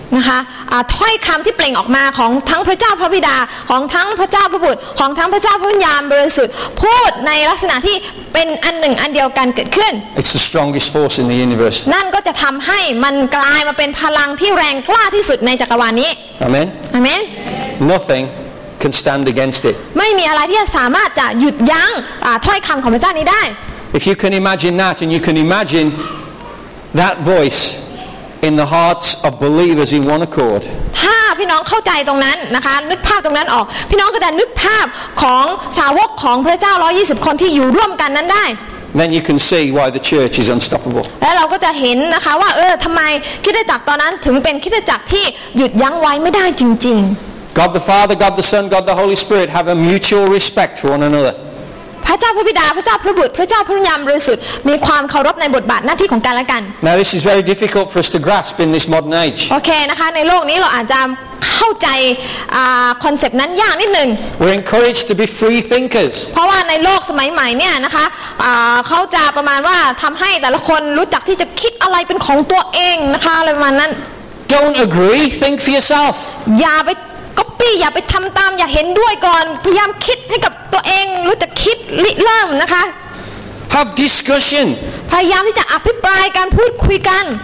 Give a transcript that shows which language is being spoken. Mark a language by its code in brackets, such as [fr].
[th] นะคะถ้อยคำที่เปล่งออกมาของทั้งพระเจ้าพระบิดาของทั้งพระเจ้าพระบุตรของทั้งพระเจ้าพระวิญญาณบริสุทธิ์พูดในลักษณะที่เป็นอันหนึ่งอันเดียวกันเกิดขึ้น [en] It's the strongest force in the universe. [th] นั่นก็จะทำให้มันกลายมาเป็นพลังที่แรงกล้าที่สุดในจักรวาลนี้ [en] Amen. Amen. Nothing. Can stand against it. [th] ไม่มีอะไรที่จะสามารถจะหยุดยั้งถ้อยคำของพระเจ้านี้ได้ [en] If you can imagine that, and you can imagine that voice in the hearts of believers in one accord. [th] ถ้าพี่น้องเข้าใจตรงนั้นนะคะนึกภาพตรงนั้นออกพี่น้องก็จะนึกภาพของสาวกของพระเจ้า120คนที่อยู่ร่วมกันนั้นได้ [en] Then you can see why the church is unstoppable. [th] แล้วเราก็จะเห็นนะคะว่าทำไมคริสตจักรตอนนั้นถึงเป็นคริสตจักรที่หยุดยั้งไว้ไม่ได้จริงๆ [en] God the Father, God the Son, God the Holy Spirit have a mutual respect for one another. [th] พระเจ้าพระบิดาพระเจ้าพระบุตรพระเจ้าพระวิญญาณบริสุทธิ์มีความเคารพในบทบาทหน้าที่ของกันและกัน [en] Now this is very difficult for us to grasp in this modern age. [th] Okay, นะคะในโลกนี้เราอาจจะเข้าใจคอนเซปต์นั้นยากนิดนึง [en] We're encouraged to be free thinkers. [th] เพราะว่าในโลกสมัยใหม่เนี่ยนะคะเขาจะประมาณว่าทำให้แต่ละคนรู้จักที่จะคิดอะไรเป็นของตัวเองนะคะอะไรประมาณนั้น [en] Don't agree, think for yourself. [th] อย่าไปก็ปี้อย่าไปทำตามอย่าเห็นด้วยก่อนพยายามคิดให้กับตัวเองรู้จักคิดริเริ่มนะคะ [en] Have discussion [th] พยายามที่จะอภิปรายการพูดคุยกัน